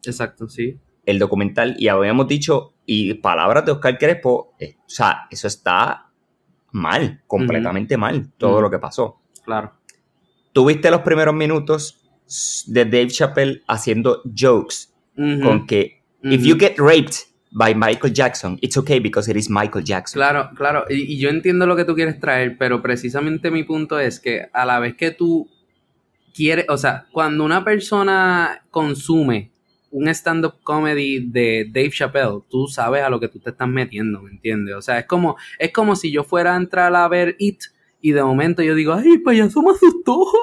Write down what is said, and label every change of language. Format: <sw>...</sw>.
<es>Exacto, sí. El documental, y habíamos dicho, y palabras de Oscar Crespo, o sea, eso está... mal, completamente uh-huh. mal, todo uh-huh. lo que pasó. Claro. Tuviste los primeros minutos de Dave Chappelle haciendo jokes uh-huh. con que uh-huh.</es> <en>if you get raped by Michael Jackson, it's okay because it is Michael Jackson.</en> <es>Claro, claro. Y yo entiendo lo que tú quieres traer, pero precisamente mi punto es que a la vez que tú quieres, o sea, cuando una persona consume un stand-up comedy de Dave Chappelle, tú sabes a lo que tú te estás metiendo, ¿me entiendes? O sea, es como si yo fuera a entrar a ver It y de momento yo digo, ¡ay, payaso me asustó!</es>